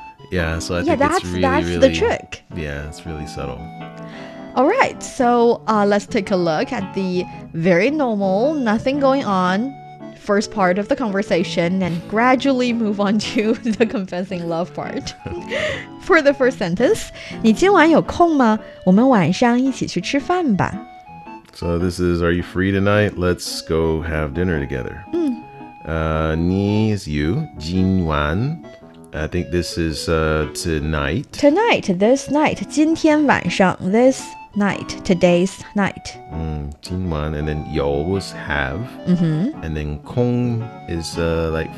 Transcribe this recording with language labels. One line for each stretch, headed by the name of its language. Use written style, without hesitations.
English: Yeah, so I think that's really the trick. Yeah, it's really subtle. All right, so let's take a look at the very normal, nothing going on, first part of the conversation, and gradually move on to the confessing love part. For the first sentence,
Chinese: 你今晚有空吗？我们晚上一起去吃饭吧。
English: So this is, are you free tonight? Let's go have dinner together. 你 is you, 今晚, I think this is tonight. Tonight, this night,
Chinese: 今天晚上,
English: this night, today's night. 今晚, and then 有 is have, and then 空 is like